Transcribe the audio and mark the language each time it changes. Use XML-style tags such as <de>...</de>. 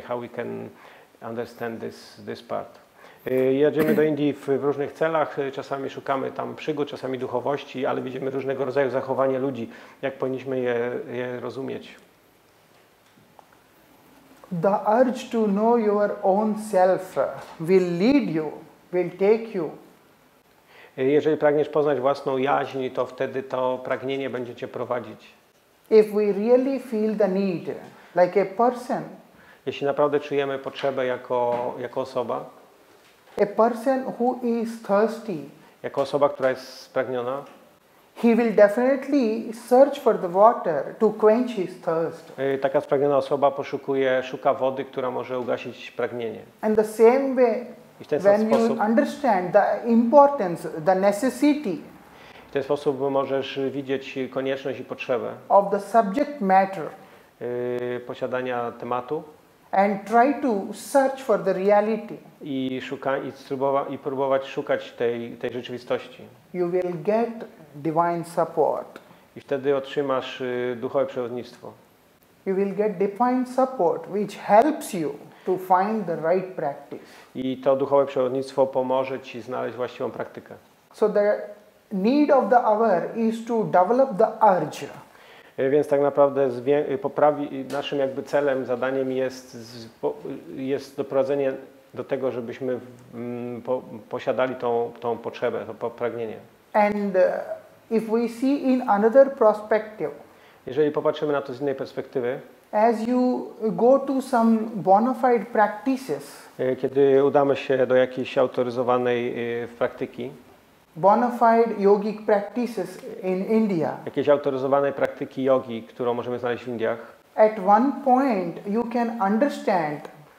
<en>How we can understand this part?</en> <pl>Jedziemy do Indii w różnych celach, czasami szukamy tam przygód, czasami duchowości, ale widzimy różnego rodzaju zachowania ludzi. Jak powinniśmy je rozumieć?</pl> <en>The urge to know your own self will lead you, will take you.</en> <pl>Jeżeli pragniesz poznać własną jaźń, to wtedy to pragnienie będzie cię prowadzić.</pl> <en>If we really feel the need, like a person.</en> <pl>Jeśli naprawdę czujemy potrzebę jako osoba.</pl> <en>A person who is thirsty,</en> <pl>jako osoba, która jest spragniona,</pl> <en>he will definitely search for the water to quench his thirst.</en> <pl>Taka spragniona osoba szuka wody, która może ugasić pragnienie.</pl> <en>And the same way, when you understand the importance, the necessity,</en> <pl>w ten sposób możesz widzieć konieczność i potrzebę</pl> <en>of the subject matter,</en> <pl>posiadania tematu,</pl> <en>and try to search for the reality.</en> <pl>I próbować szukać tej rzeczywistości.</pl> <en>You will get divine support.</en> <pl>I wtedy otrzymasz duchowe przewodnictwo.</pl> <en>You will get divine support, which helps you. to find the right practice.</en> <pl>I to duchowe przewodnictwo pomoże ci znaleźć właściwą praktykę.</pl> <en>So the need of the hour is to develop the urge.</en> <pl>Więc tak naprawdę naszym jakby celem, zadaniem jest doprowadzenie do tego, żebyśmy posiadali tą potrzebę, to pragnienie.</pl> <en>And if we see in another perspective.</en> <pl>Jeżeli popatrzymy na to z innej perspektywy.</pl> <en>As you go to some bona fide practices.</en> <pl>Kiedy udamy się do jakiejś autoryzowanej praktyki.</pl> <en>Bona fide yogic practices in India.</en> <pl>Jakiejś autoryzowanej praktyki jogi, którą możemy znaleźć w Indiach.</pl> <en>At one point you can understand.</en>